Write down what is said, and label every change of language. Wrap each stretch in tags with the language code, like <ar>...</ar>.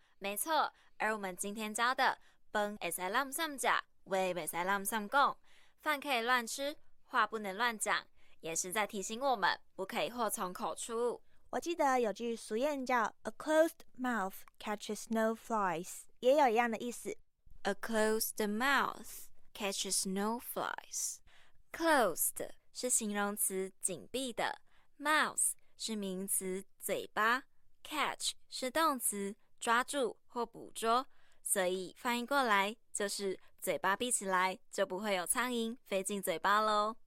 <zh>没错，而我们今天教的饭可以乱散吃，话不可以乱散说，饭可以乱吃，话不能乱讲，也是在提醒我们不可以祸从口出。我记得有句俗谚叫</zh> <en>A closed mouth catches no flies，</en> <zh>也有一样的意思。</zh> <en>A closed mouth catches no flies。</en> <zh>Closed 是形容词紧闭的， mouth 是名词嘴巴， catch 是动词抓住或捕捉，所以翻译过来就是嘴巴闭起来就不会有苍蝇飞进嘴巴咯。</zh>